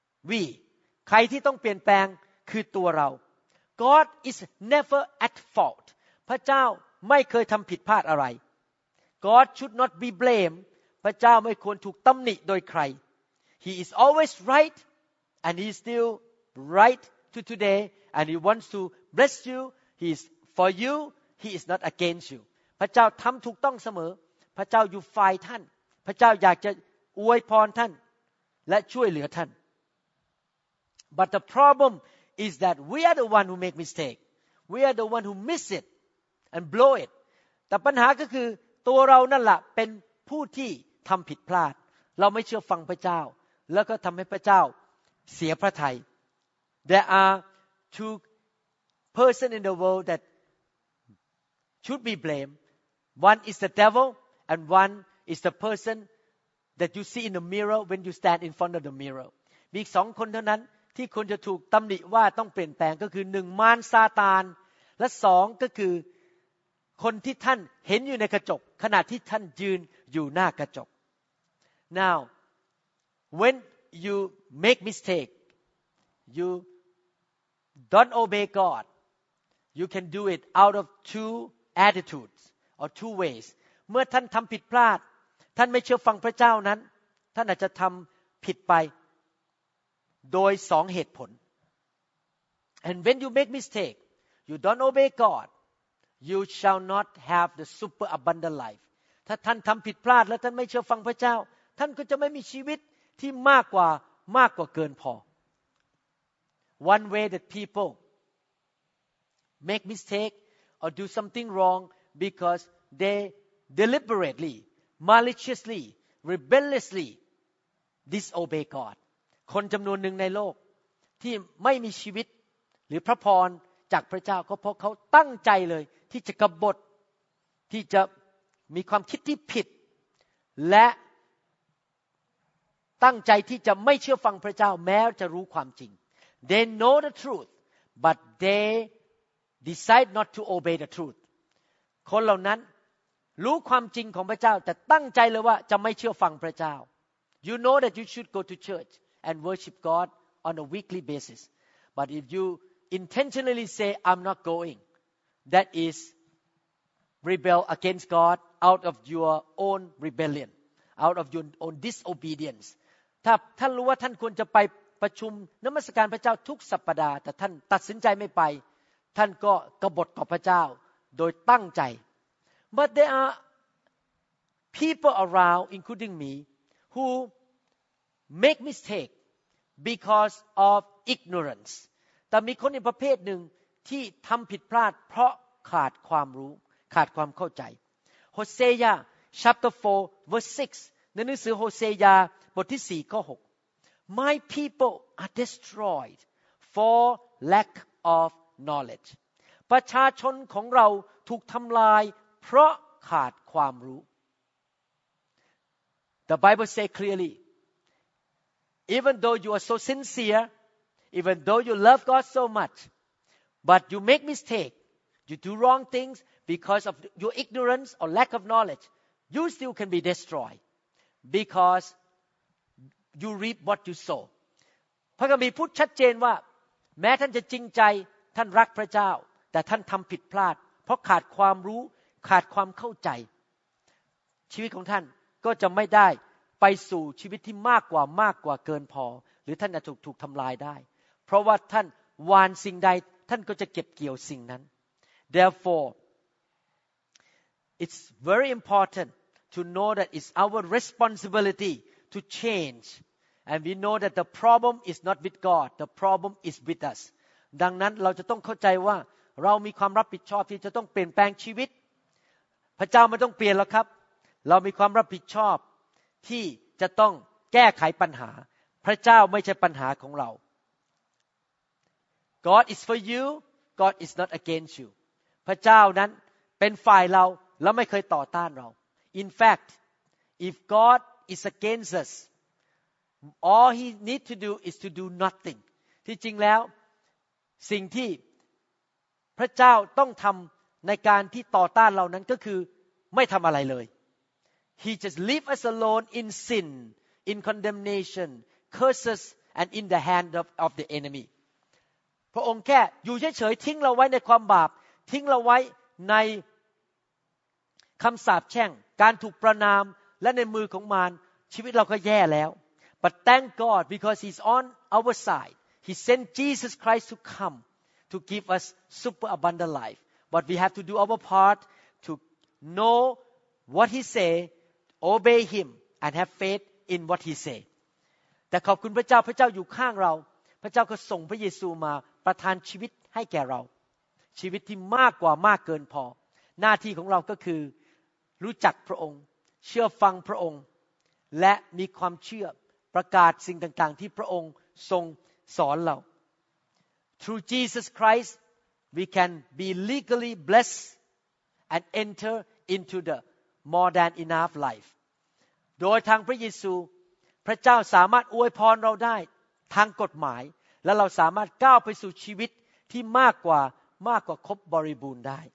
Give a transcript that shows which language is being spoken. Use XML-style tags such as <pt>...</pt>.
<en>We</en> <th>ใครที่ต้องเปลี่ยนแปลงคือตัวเรา</th> <en>God is never at fault</en> <th>พระเจ้าไม่เคยทำผิดพลาดอะไร</th> <en>God should not be blamed</en> <th>พระเจ้าไม่ควรถูกตำหนิโดยใคร</th> <en>He is always right and he is still right to today and he wants to bless you he isFor you, he is not against you.</en> <th>พระเจ้าทำถูกต้องเสมอพระเจ้าอยู่ฝ่ายท่านพระเจ้าอยากจะอวยพรท่านและช่วยเหลือท่าน</th> <en>But the problem is that we are the one who make mistake. We are the one who miss it and blow it.</en> <th>แต่ปัญหาก็คือตัวเรานั่นแหละเป็นผู้ที่ทำผิดพลาดเราไม่เชื่อฟังพระเจ้าแล้วก็ทำให้พระเจ้าเสียพระทัย</th> <en>There are two persons in the world thatshould be blamed. One is the devil and one is the person that you see in the mirror when you stand in front of the mirror.</en> <th>มีสองคนเท่านั้นที่คนจะถูกตำหนิว่าต้องเปลี่ยนแปลงก็คือหนึ่งมารซาตานและสองก็คือคนที่ท่านเห็นอยู่ในกระจกขณะที่ท่านยืนอยู่หน้ากระจก</th> <en>Now, when you make mistake, you don't obey God. You can do it out of two attitudes or two ways.</en> <th>เมื่อท่านทำผิดพลาดท่านไม่เชื่อฟังพระเจ้านั้นท่านอาจจะทำผิดไปโดยสองเหตุผล</th> <en>And when you make mistake, you don't obey God, you shall not have the super abundant life.</en> <th>ถ้าท่านทำผิดพลาดและท่านไม่เชื่อฟังพระเจ้าท่านก็จะไม่มีชีวิตที่มากกว่าเกินพอ</th> <en>One way that people make mistake or do something wrong because they deliberately, maliciously, rebelliously disobey God.</en> <th>คนจำนวนหนึ่งในโลกที่ไม่มีชีวิตหรือพระพรจากพระเจ้าก็เพราะเขาตั้งใจเลยที่จะกบฏที่จะมีความคิดที่ผิดและตั้งใจที่จะไม่เชื่อฟังพระเจ้าแม้จะรู้ความจริง</th> <en>They know the truth but they decide not to obey the truth</en> <th>คนเหล่านั้นรู้ความจริงของพระเจ้าแต่ตั้งใจเลยว่าจะไม่เชื่อฟังพระเจ้า</th> <en>You know that you should go to church and worship God on a weekly basis but if you intentionally say I'm not going that is rebel against God out of your own rebellion out of your own disobedience</en> <th>ถ้าท่านรู้ว่าท่านควรจะไปประชุมนมัสการพระเจ้าทุกสัปดาห์แต่ท่านตัดสินใจไม่ไปท่านก็กบฏต่อพระเจ้าโดยตั้งใจ</th> <en>but there are people around including me who make mistake because of ignorance</en> <th>แต่มีคนอีกประเภทหนึ่งที่ทำผิดพลาดเพราะขาดความรู้ขาดความเข้าใจโฮเซยา</th> <en>chapter 4 verse 6</en> <th>ในหนังสือโฮเซยาบทที่4ข้อ6</th> <en>My people are destroyed for lack of knowledge</en> <th>ประชาชนของเราถูกทำลายเพราะขาดความรู้</th> <en>The Bible say clearly Even though you are so sincere even though you love God so much but you make mistake you do wrong things because of your ignorance or lack of knowledge you still can be destroyed because you reap what you sow</en> <th>พระคัมภีร์พูดชัดเจนว่าแม้ท่านจะจริงใจท่านรักพระเจ้าแต่ท่านทำผิดพลาดเพราะขาดความรู้ขาดความเข้าใจชีวิตของท่านก็จะไม่ได้ไปสู่ชีวิตที่มากกว่าเกินพอหรือท่านจะถูกทำลายได้เพราะว่าท่านหว่านสิ่งใดท่านก็จะเก็บเกี่ยวสิ่งนั้น</th> <en>Therefore, it's very important to know that it's our responsibility to change. And we know that the problem is not with God. The problem is with us.</en> <th>ดังนั้นเราจะต้องเข้าใจว่าเรามีความรับผิดชอบที่จะต้องเปลี่ยนแปลงชีวิตพระเจ้าไม่ต้องเปลี่ยนหรอกครับเรามีความรับผิดชอบที่จะต้องแก้ไขปัญหาพระเจ้าไม่ใช่ปัญหาของเรา</th> <en>God is for you. God is not against you.</en> <th>พระเจ้านั้นเป็นฝ่ายเราแล้วไม่เคยต่อต้านเรา</th> <en>In fact if God is against us all he need to do is to do nothing</en> <th>ที่จริงแล้วสิ่งที่พระเจ้าต้องทำในการที่ต่อต้านเรานั้นก็คือไม่ทำอะไรเลย</th> <en>He just leave us alone in sin in condemnation curses and in the hand of the enemy</en> <th>พระองค์แค่อยู่เฉยๆทิ้งเราไว้ในความบาปทิ้งเราไว้ในคำสาปแช่งการถูกประนามและในมือของมารชีวิตเราก็แย่แล้ว</th> <en>But thank God because he's on our side he sent Jesus Christ to come to give us super abundant life but we have to do our part to know what he say obey him and have faith in what he say</en> <th>แต่ขอบคุณพระเจ้าอยู่ข้างเราพระเจ้าก็ส่งพระเยซูมาประทานชีวิตให้แก่เราชีวิตที่มากกว่ามากเกินพอหน้าที่ของเราก็คือรู้จักพระองค์เชื่อฟังพระองค์และมีความเชื่อประกาศสิ่งต่างๆที่พระองค์ทรงสอนเรา</th> <en>Through Jesus Christ we can be legally blessed and enter into the more than enough life</en> <th>โดยทางพระเยซูพระเจ้าสามารถอวยพรเราได้ทางกฎหมายและเราสามารถก้าวไปสู่ชีวิตที่มากกว่าครบบริบูรณ์ได</th>